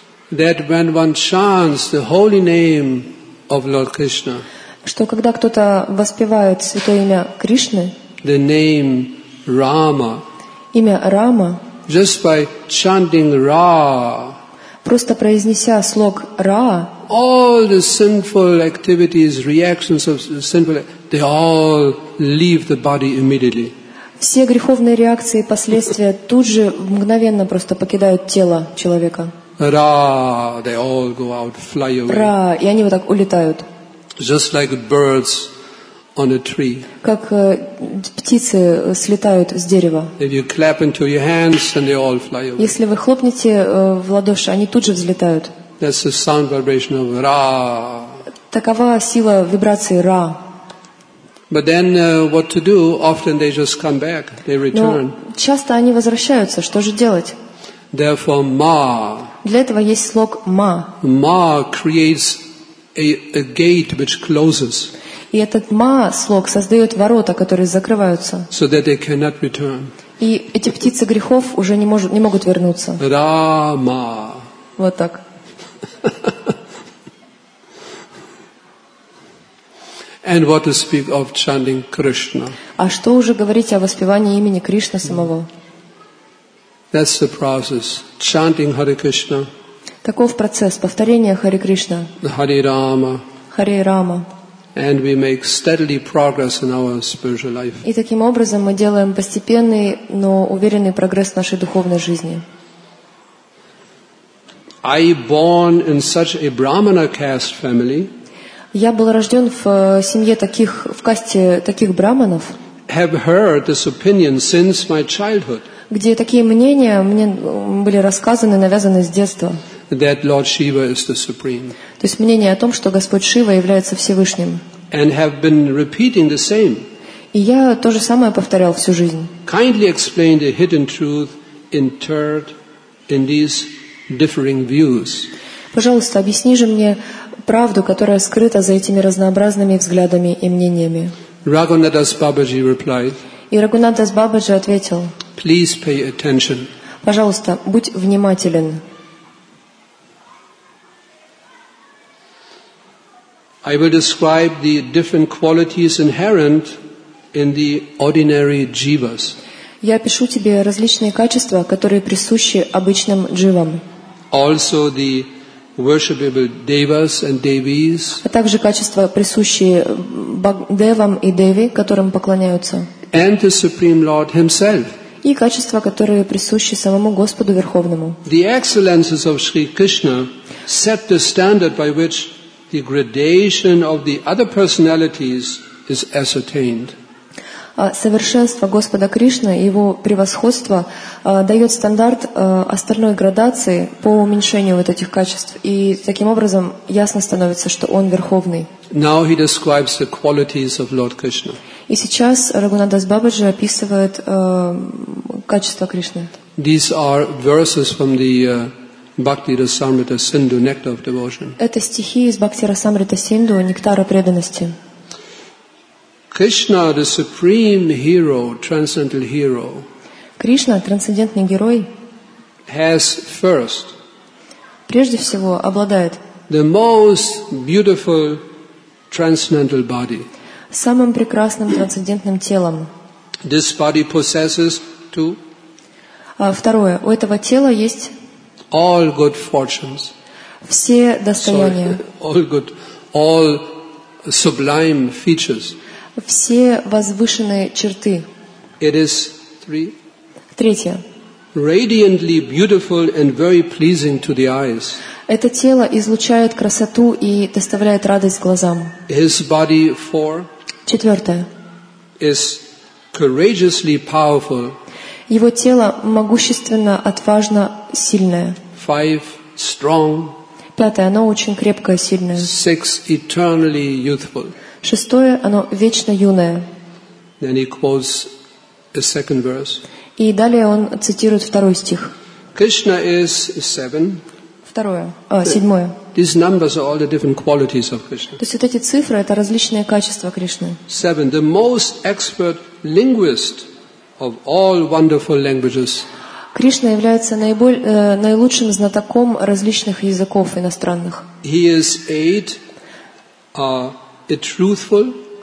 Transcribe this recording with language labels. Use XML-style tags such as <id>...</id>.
<en>That when one chants the holy name of Lord Krishna,</en> <ru>что когда кто-то воспевает святое имя Кришны,</ru> <en>the name Rama,</en> <ru>имя Рама,</ru> <en>just by chanting Ra,</en> <ru>просто произнеся слог Ra,</ru> <en>all the sinful activities, reactions of sinful, they all leave the body immediately.</en> <ru>Все греховные реакции и последствия тут же мгновенно просто покидают тело человека.</ru> <en>Ra, they all go out, fly away.</en> <ru>Ra, и они вот так улетают.</ru> <en>Just like birds on a tree.</en> <ru>Как птицы слетают с дерева.</ru> <en>If you clap into your hands, then they all fly away.</en> <ru>Если вы хлопнете в ладоши, они тут же взлетают.</ru> <en>That's the sound vibration of Ra.</en> <ru>Такова сила вибрации Ra.</ru> <en>But then what to do? Often they just come back, they return.</en> <ru>Но часто они возвращаются. Что же делать?</ru> <en>Therefore, Ma.</en> <ru>Для этого есть слог Ma.</ru> <en>Ma creates a gate which closes.</en> <ru>И этот Ma слог создает ворота, которые закрываются.</ru> <en>So that they cannot return.</en> <ru>И эти птицы грехов уже не могут вернуться.</ru> <en>Ra Ma.</en> <ru>Вот так.</ru> <en>And what to speak of chanting Krishna?</en> <ru>А что уже говорить о воспевании имени Кришны самого?</ru> <en>That's the process. Chanting Hare Krishna.</en> <ru>Таков процесс повторения Hare Krishna.</ru> <en>Hare Rama.</en> <ru>Hare Rama.</ru> <en>And we make steadily progress in our spiritual life.</en> <ru>И таким образом мы делаем постепенный, но уверенный прогресс в нашей духовной жизни.</ru> <en>I born in such a Brahmana caste family.</en> <ru>Я был рожден в семье таких, в касте таких браманов,</ru> <en>have heard this opinion since my childhood,</en> <ru>где такие мнения мне были рассказаны, навязаны с детства.</ru> <en>That Lord Shiva is the supreme.</en> <ru>То есть мнение о том, что Господь Шива является Всевышним.</ru> <en>And have been repeating the same.</en> <ru>И я то же самое повторял всю жизнь.</ru> <en>Kindly explain the hidden truth interred in these differing views.</en> <ru>Пожалуйста, объясни же мне правду, которая скрыта за этими разнообразными взглядами и мнениями.</ru> <en>Raghunathdas Babaji replied.</en> <ru>И Raghunathdas Babaji ответил.</ru> <en>Please pay attention.</en> <ru>Пожалуйста, будь внимателен.</ru> <en>I will describe the different qualities inherent in the ordinary jivas.</en> <ru>Я опишу тебе различные качества, которые присущи обычным дживам.</ru> <en>Also the worshipable devas and devis.</en> <ru>А также качества, присущие девам и деви, которым поклоняются.</ru> <en>And the Supreme Lord Himself.</en> <ru>И качества, которые присущи самому Господу Верховному.</ru> <en>The excellences of Sri Krishna set the standard by which the gradation of the other personalities is ascertained.</en> <ru>Совершенство Господа Кришны и Его превосходство дает стандарт остальной градации по уменьшению вот этих качеств. И таким образом ясно становится, что Он Верховный.</ru> <en>Now he describes the qualities of Lord Krishna.</en> <ru>И сейчас Raghunathdas Babaji описывает качества Кришны.</ru> <en>These are verses from the Bhakti Rasamrita Sindhu, Nectar of Devotion.</en> <ru>Это стихи из Bhakti Rasamrita Sindhu, Нектара преданности.</ru> <en>Krishna, the supreme hero, transcendental hero,</en> <ru>Krishna, трансцендентный герой,</ru> <en>has first,</en> <ru>прежде всего, обладает</ru> <en>the most beautiful transcendental body,</en> <ru>самым прекрасным трансцендентным телом.</ru> <en>This body possesses two.</en> <ru>Второе, у этого тела есть</ru> <en>all good fortunes,</en> <ru>все достояния,</ru> <en>all sublime features.</en> <ru>Все возвышенные черты.</ru> <en>It is three.</en> <ru>Третье.</ru> <en>Radiantly beautiful and very pleasing to the eyes.</en> <ru>Это тело излучает красоту и доставляет радость глазам.</ru> <en>His body four.</en> <ru>Четвертое.</ru> <en>Is courageously powerful.</en> <ru>Его тело могущественно, отважно, сильное.</ru> <en>Five strong.</en> <ru>Пятое, оно очень крепкое, сильное.</ru> <en>Six eternally youthful.</en> <ru>Шестое, оно вечно юное.</ru> <en>Then he quotes a second verse.</en> <ru>И далее он цитирует второй стих.</ru> <en>Krishna is seven.</en> <ru>Второе, седьмое.</ru> <en>These numbers are all the different qualities of Krishna.</en> <ru>То есть вот эти цифры — это различные качества Кришны.</ru> <en>Seven, the most expert linguist of all wonderful languages.</en> <ru>Кришна является наилучшим знатоком различных языков иностранных.</ru> <en>He is eight. Truthful.</en>